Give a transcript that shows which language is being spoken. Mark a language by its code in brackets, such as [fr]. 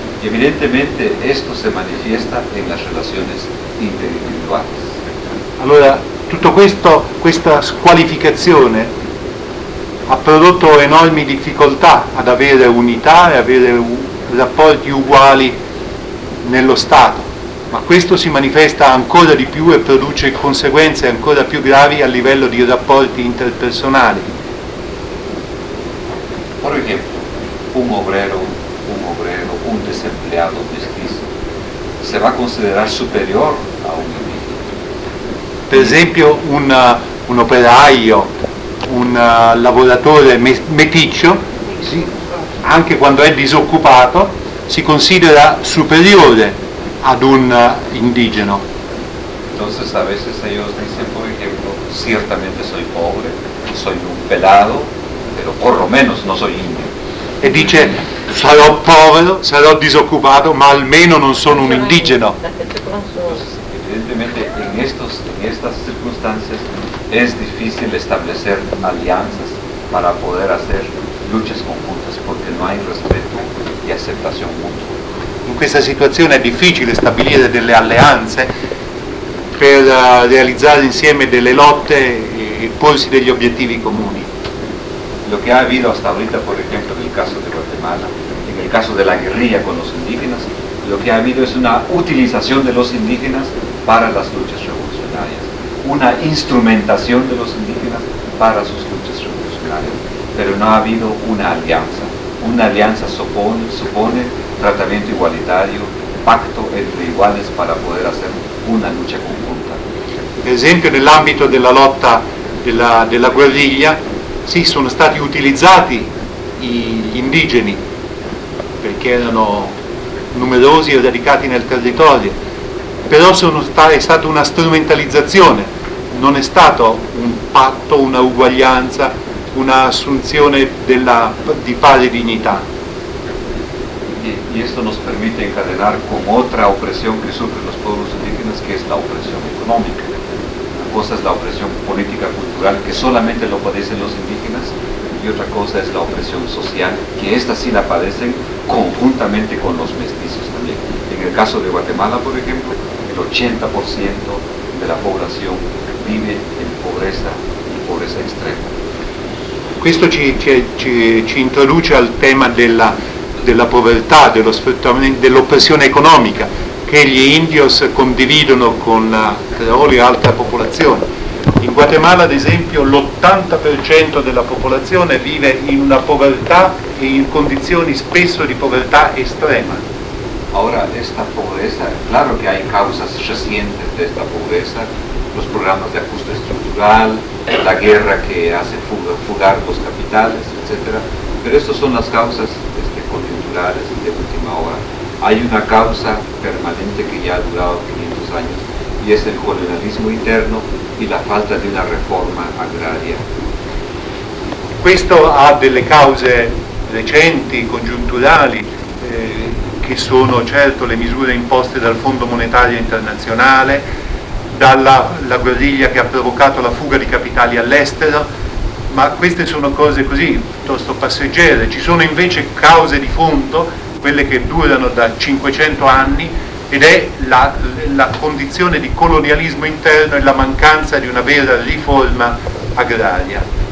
[es] Y evidentemente esto se manifiesta en las relaciones interindividuales. [it] Allora, tutto questo, questa squalificazione ha prodotto enormi difficoltà ad avere unità e avere rapporti uguali nello Stato, ma questo si manifesta ancora di più e produce conseguenze ancora più gravi a livello di rapporti interpersonali. [es] Por ejemplo, un obrero, un desempleado mestizo, se va a considerar superior a un indígena. [it] Per esempio, un operaio, un lavoratore meticcio, sì, anche quando è disoccupato, si considera superiore ad un indigeno. [es] Entonces, a veces ellos dicen, por ejemplo, ciertamente soy pobre, soy un pelado, pero por lo menos no soy indio. [it] E dice, sarò povero, sarò disoccupato, ma almeno non sono un indigeno. Evidentemente in queste circostanze è difficile stabilire alleanze [es] para poder hacer luchas conjuntas, porque no hay respeto y aceptación mutua. [it] In questa situazione è difficile stabilire delle alleanze per realizzare insieme delle lotte e porsi degli obiettivi comuni. Lo che ha avuto [es] hasta ahorita, por ejemplo, [it] nel caso di Guatemala, nel caso della guerrilla [es] con los indígenas, [it] lo che ha avuto è una utilizzazione [es] de los indígenas para las luchas revolucionarias, una instrumentación de los indígenas para sus luchas revolucionarias, pero no ha habido una alianza. Una alianza supone tratamiento igualitario, pacto entre iguales para poder hacer una lucha conjunta. [it] Per esempio, nell'ambito della lotta della guerriglia, sì, sono stati utilizzati gli indigeni, perché erano numerosi e radicati nel territorio, però è stata una strumentalizzazione, non è stato un patto, una uguaglianza, una assunzione di pari dignità. [es] Y esto nos permite encadenar con otra opresión que sufren los pueblos indígenas, que es la opresión económica. Una cosa es la opresión política, cultural, que solamente lo padecen los indígenas, y otra cosa es la opresión social, que esta sí la padecen conjuntamente con los mestizos también. En el caso de Guatemala, por ejemplo, el 80% de la población vive en pobreza y pobreza extrema. [it] Questo ci introduce al tema della povertà, dello sfruttamento, dell'oppressione economica che gli indios condividono con creoli e altra popolazione. In Guatemala, ad esempio, l'80% della popolazione vive in una povertà e in condizioni spesso di povertà estrema. Ora, questa povertà, [es] claro [it] che ha cause recenti di questa povertà, i programmi di ajuste strutturale, la guerra che [es] hace fugar los capitales, [it] eccetera, però queste sono le cause [es] coyunturales y de última hora. Hay una causa permanente que ya ha durado 500 años y es el colonialismo interno y la falta de una reforma agraria. [it] Questo ha delle cause recenti, congiunturali, che sono certo le misure imposte dal Fondo Monetario Internazionale, dalla guerriglia che ha provocato la fuga di capitali all'estero. Ma queste sono cose così, piuttosto passeggere. Ci sono invece cause di fondo, quelle che durano da 500 anni, ed è la condizione di colonialismo interno e la mancanza di una vera riforma agraria.